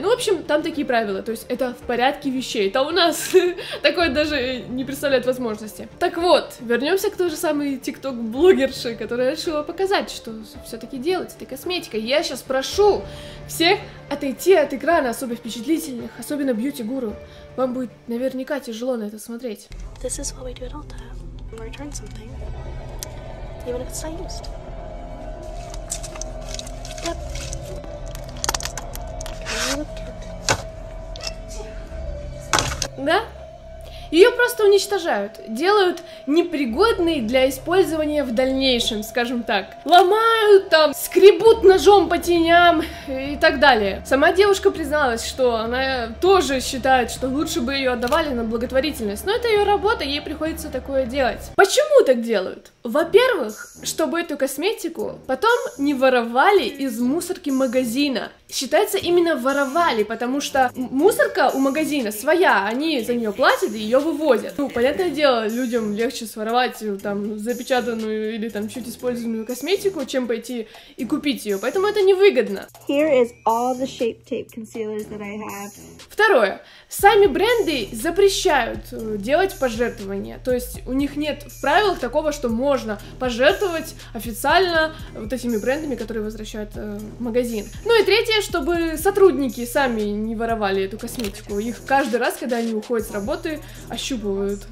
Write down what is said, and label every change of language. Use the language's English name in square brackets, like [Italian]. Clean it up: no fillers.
[Russian] Ну, в общем, там такие правила, то есть это в порядке вещей. Это у нас такое даже не представляет возможности. Так вот, вернемся к той же самой тикток-блогерше, которая решила показать, что все-таки делать с этой косметикой. Я сейчас прошу всех отойти от экрана, особо впечатлительных, особенно бьюти-гуру. Вам будет наверняка тяжело на это смотреть. [English] This is what we do at all time. Return something, even if it's not used. Yep. Can you look at it? Yeah. [Russian] Ее просто уничтожают, делают непригодной для использования в дальнейшем, скажем так. Ломают там, скребут ножом по теням и так далее. Сама девушка призналась, что она тоже считает, что лучше бы ее отдавали на благотворительность. Но это ее работа, ей приходится такое делать. Почему так делают? Во-первых, чтобы эту косметику потом не воровали из мусорки магазина. Считается, именно воровали, потому что мусорка у магазина своя, они за нее платят и ее вывозят. Ну, понятное дело, людям легче своровать там запечатанную или там чуть использованную косметику, чем пойти и купить ее, поэтому это невыгодно. [English] Here is all the shape tape concealers that I have. [Russian] Второе. Сами бренды запрещают делать пожертвования, то есть у них нет в правилах такого, что можно пожертвовать официально вот этими брендами, которые возвращают в магазин. Ну и третье, чтобы сотрудники сами не воровали эту косметику, их каждый раз, когда они уходят с работы, ощупывают.